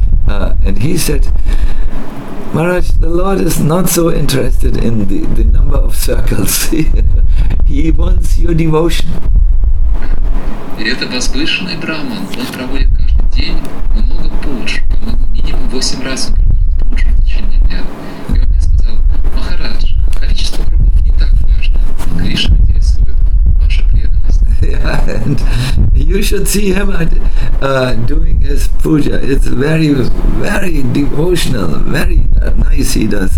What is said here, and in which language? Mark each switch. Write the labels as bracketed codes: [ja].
[en] And he said, Maharaj, the Lord is not so interested in the number of circles. He wants your devotion. [ru] И это возвышенный браман, он проводит каждый день много пудж, по-моему, минимум 8 раз он проводит пудж в течение дня. И он мне сказал, Махарадж, количество кругов не так важно, но Кришна интересует ваша преданность. [en] Yeah, and you should see him doing his puja. It's very, very devotional, very nice he does.